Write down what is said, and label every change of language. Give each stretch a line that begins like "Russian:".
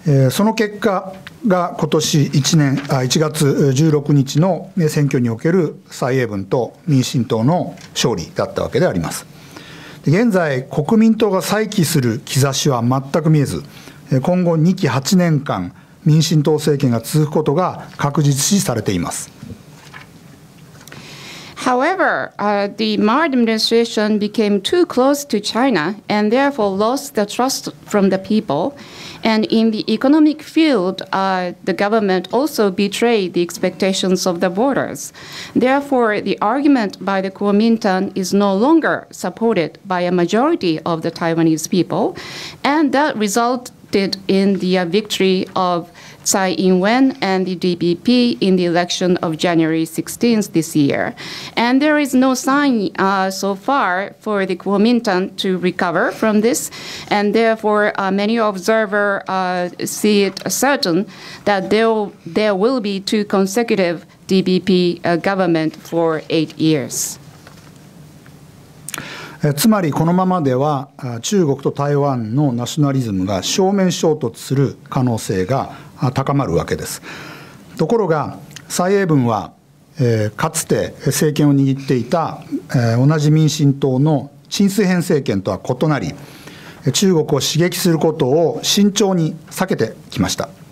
Japanese: その結果が今年1月16日の選挙における蔡英文と民進党の勝利だったわけであります。で現在国民党が再起する兆しは全く見えず、今後2期8年間民進党政権が続くことが確実視されています。
English: However, the Ma administration became too close to China and therefore lost the trust from the people. And in the economic field, the government also betrayed the expectations of the voters. Therefore, the argument by the Kuomintang is no longer supported by a majority of the Taiwanese people, and that resulted in the victory of Tsai Ing-wen and the DPP in the election of January 16th this year. And there is no sign so far for the Kuomintang to recover from this, and therefore many observers see it certain that there will be two consecutive DPP government for 8 years.
Japanese: つまりこのままでは中国と台湾のナショナリズムが正面衝突する可能性が高まるわけです。ところが蔡英文は、かつて政権を握っていた、同じ民進党の陳水扁政権とは異なり、中国を刺激することを慎重に避けてきました。